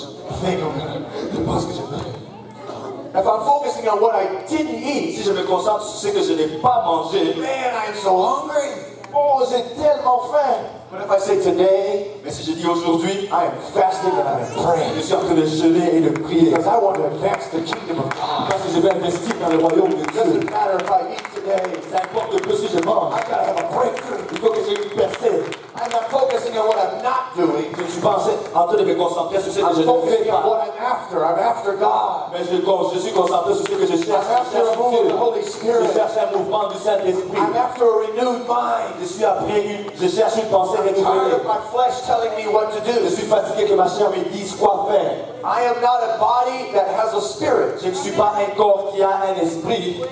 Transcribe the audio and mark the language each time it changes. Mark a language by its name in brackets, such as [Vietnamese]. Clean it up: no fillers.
[English] If I'm focusing on what I didn't eat, [French] si je me concentre sur ce que je n'ai pas mangé, [English] man, I'm so hungry. [French] Oh, j'ai tellement faim. [English] But if I say today, [French] mais si je dis aujourd'hui, [English] I am fasting and I am praying. [French] Je suis en train de jeûner et de prier. [English] Because I want to advance the kingdom of God. [French] Parce que je vais investir dans le royaume de Dieu. [English] It doesn't matter if I eat today. [French] Ça importe de plus si je mange. [English] I gotta have a breakthrough. [French] Il faut que j'ai une percée. [English] I'm not focusing on what I'm not doing. [French] Que tu penses en train de me concentrer sur ce que je ne fais pas. [English] What I'm after. I'm after God. [French] Mais je suis concentré sur ce que je cherche. [English] I'm after a move of the Holy Spirit. [French] Je cherche un mouvement du Saint-Esprit. [English] I'm after a renewed mind. [French] Je cherche une pensée renouvelée. [English] I'm tired of my flesh telling me what to do. [French] Je suis fatigué que ma chair me dise quoi faire. [English] I am not a body that has a spirit. [French] Je ne suis pas un corps qui a un esprit.